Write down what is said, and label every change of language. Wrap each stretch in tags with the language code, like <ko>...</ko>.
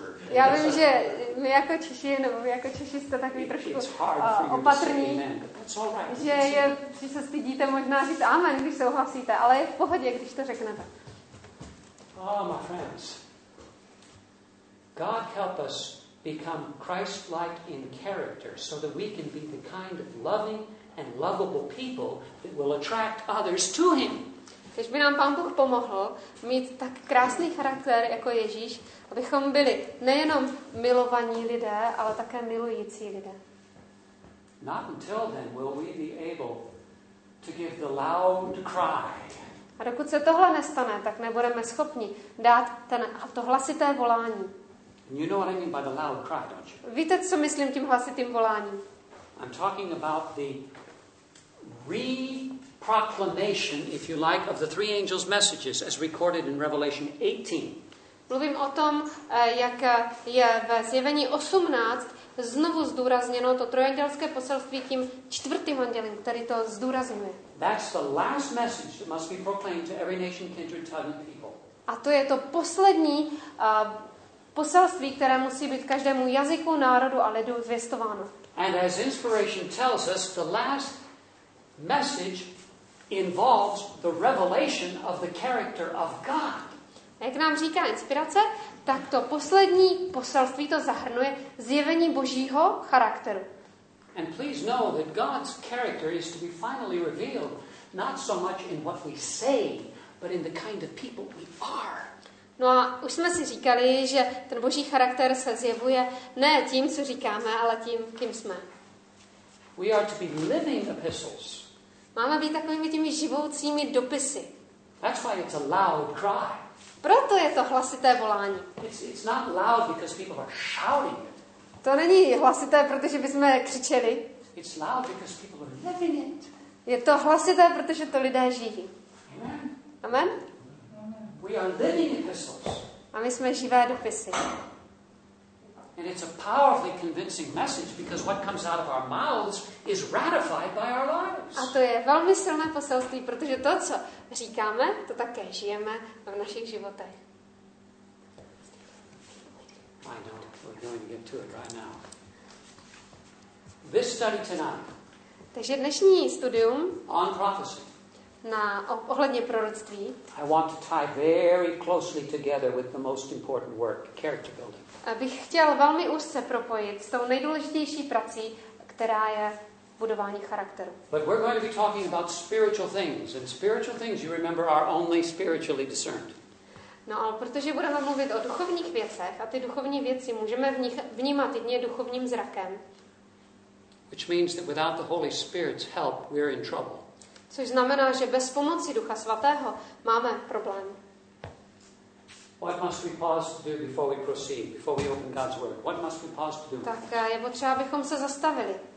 <cs>Já vím, že my jako Češi, nebo vy jako Češi jste takový trošku opatrní, že je, že se stydíte možná říct amen, když souhlasíte, ale je v pohodě, když to řeknete.</cs> <en>Oh, my friends. God help us become Christ-like in character so that we can be the kind of loving and lovable people that will attract others to him.</en> <cs>Kež by nám Pán Bůh pomohl mít tak krásný charakter jako Ježíš, abychom byli nejenom milovaní lidé, ale také milující lidé.</cs> <en>Not until then will we be able to give the loud cry.</en> <cs>A dokud se tohle nestane, tak nebudeme schopni dát ten, to hlasité volání.</cs> <en>You know what I mean by the loud cry, don't you?</en> <cs>Víte, co myslím tím hlasitým voláním?</cs> <en>I'm talking about the re-proclamation, if you like, of the three angels' messages as recorded in Revelation 18.</en> <cs>Mluvím o tom, jak je ve Zjevení 18 znovu zdůrazněno to trojandělské poselství tím čtvrtým andělem, který to zdůrazňuje.</cs> <en>That's the last message that must be proclaimed to every nation, kindred, tongue and people.</en> <cs>A to je to poslední poselství, které musí být každému jazyku, národu a lidu zvěstováno.</cs> <en>And as inspiration tells us, the last message involves the revelation of the character of God.</en> <cs>Jak nám říká inspirace, tak to poslední poselství to zahrnuje zjevení Božího charakteru.</cs> <en>And please know that God's character is to be finally revealed not so much in what we say, but in the kind of people we are.</en> <cs>No a už jsme si říkali, že ten Boží charakter se zjevuje ne tím, co říkáme, ale tím, kým jsme.</cs> <en>We are to be living epistles.</en> <cs>Máme být takovými těmi živoucími dopisy.</cs> <en>That's why it's a loud cry.</en> <cs>Proto je to hlasité volání.</cs> <en>It's not loud because people are shouting it.</en> <cs>To není hlasité, protože bychom křičeli.</cs> <en>It's loud because people are living it.</en> <cs>Je to hlasité, protože to lidé žijí.</cs> <en>Amen.</en> <cs>Amen.</cs> <en>We are living epistles.</en> <cs>A my jsme živé dopisy.</cs> <en>And it's a powerfully convincing message because what comes out of our mouths is ratified by our lives.</en> <cs>A to je velmi silné poselství, protože to, co říkáme, to také žijeme v našich životech.</cs> <en>I know. We're going to get to it right now. This study tonight.</en> <cs>Takže dnešní studium</cs> <en>on prophecy.</en> <cs>Na ohledně proroctví.</cs> <en>I want to tie very closely together with the most important work, character building.</en> <cs>Bych chtěl velmi úzce propojit s tou nejdůležitější prací, která je budování charakteru.</cs> <en>But we're going to be talking about spiritual things, and spiritual things, you remember, are only spiritually discerned.</en> <cs>No, ale protože budeme mluvit o duchovních věcech a ty duchovní věci můžeme v nich vnímat jedině duchovním zrakem.</cs> <en>Which means that without the Holy Spirit's help, we're in trouble.</en> <cs>Což znamená, že bez pomoci Ducha Svatého máme problém.</cs> <en>What must we pause to do before we proceed, before we open God's word? What must we pause to do?</en> <cs>Tak je potřeba, abychom se zastavili.</cs>